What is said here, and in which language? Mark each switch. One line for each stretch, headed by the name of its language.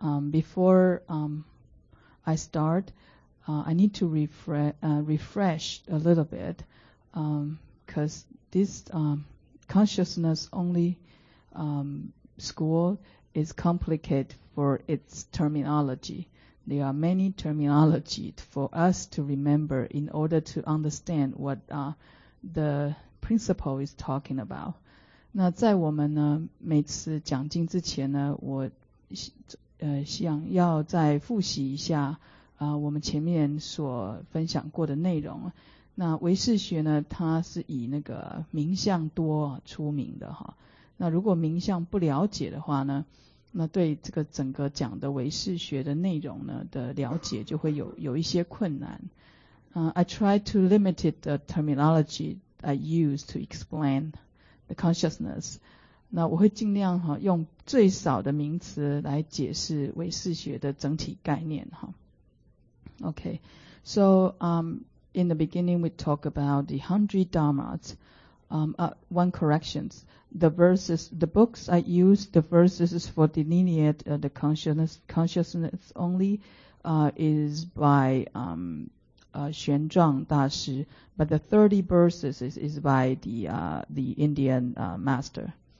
English: Before I start, I need to refresh a little bit, because this consciousness only school is complicated for its terminology. There are many terminology for us to remember in order to understand what the principle is talking about.
Chinese: 那在我们呢每次讲经之前呢，我想要再复习一下我们前面所分享过的内容。那唯识学呢，它是以那个名相多出名的哈。那如果名相不了解的话呢，那对这个整个讲的唯识学的内容呢的了解就会有一些困难。
English: I try to limit the terminology I use to explain the consciousness.
Chinese: 那我会尽量哈用最少的名词来解释唯识学的整体概念哈。
English: Okay, so in the beginning we talk about the 100 dharmas. One correction. The verses, the books I use, the verses is for delineate the consciousness only is by Xuan Zhang Da Shi, but the 30 verses is by the Indian master.